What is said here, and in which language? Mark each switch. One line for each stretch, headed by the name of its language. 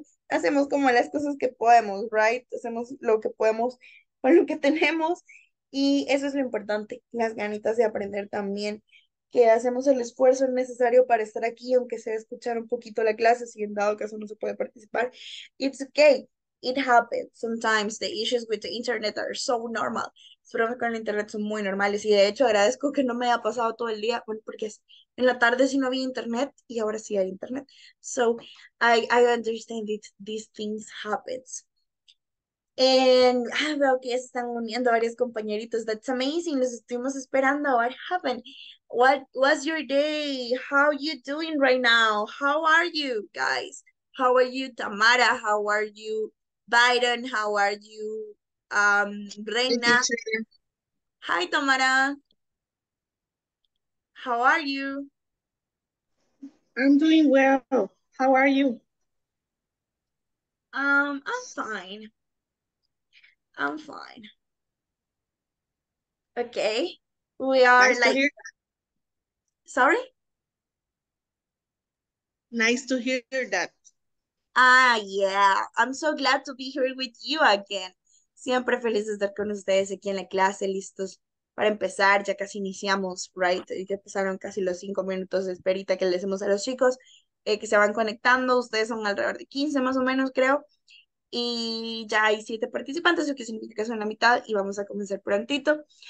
Spanish: Hacemos como las cosas que podemos,
English: right?
Spanish: Hacemos lo que podemos con lo que tenemos. Y eso es lo importante, las ganitas de aprender también. Que hacemos el esfuerzo necesario para estar aquí, aunque sea escuchar un poquito la clase, si en dado caso no se puede participar.
English: It's okay. It happens. Sometimes the issues with the internet are so normal.
Spanish: Los problemas con el internet son muy normales y de hecho agradezco que no me haya pasado todo el día, bueno, porque en la tarde sí no había internet y ahora sí hay internet.
English: So I understand that these things happens. And
Spanish: veo que ya se están uniendo varios compañeritos.
English: That's amazing.
Spanish: Los estuvimos esperando.
English: What happened? What was your day? How are you doing right now? How are you guys? How are you, Tamara? How are you, Biden? How are you, Reina? Hi, Tamara. How are you? I'm doing well. How are you? I'm fine. I'm fine. Okay. We are nice like, to hear that. Sorry? Nice to hear that. Ah, yeah. I'm so glad to be here with you again.
Spanish: Siempre feliz de estar con ustedes aquí en la clase, listos para empezar. Ya casi iniciamos,
English: right?
Spanish: Ya pasaron casi los 5 minutos de esperita que le hacemos a los chicos que se van conectando. Ustedes son alrededor de 15 más o menos, creo. Y ya hay 7 participantes, lo que significa que son la mitad y vamos a comenzar prontito.